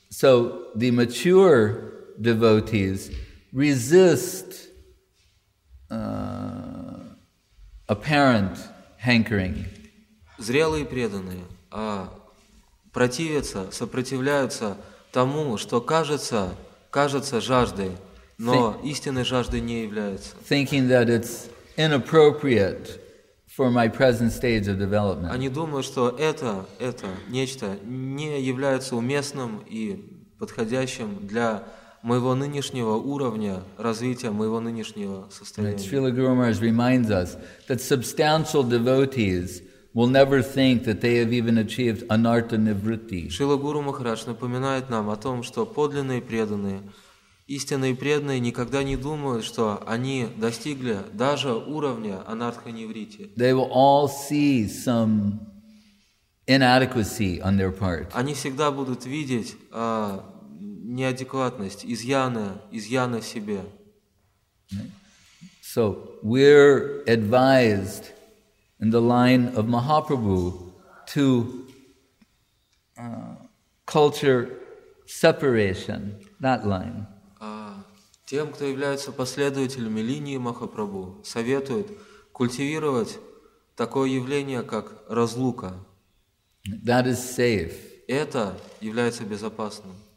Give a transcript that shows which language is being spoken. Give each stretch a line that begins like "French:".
English: So the mature devotees resist apparent hankering.
Russian: Зрелые преданные противятся, сопротивляются тому, что кажется жаждой, но истинной жаждой не является.
English: Thinking that it's inappropriate for my present stage of development.
Russian: Они думают, что это нечто не является уместным и подходящим для моего нынешнего уровня развития, моего нынешнего состояния.
English: Right. Srila Guru Maharaj reminds us that substantial devotees will never think that they have even achieved anartha nivritti.
Russian: Srila Guru Maharaj напоминает нам о том, что подлинные преданные, истинные преданные никогда не думают, что они достигли даже уровня анартха нивритти.
English: They will all see some inadequacy on their part.
Russian: Они всегда будут видеть неадекватность, изъяны в себе.
English: So we're advised in the line of Mahaprabhu to culture separation. That line.
Russian: Тем, кто является последователями линии Махапрабху, советует культивировать такое явление, как разлука.
English: That is safe.
Russian: Это является безопасным.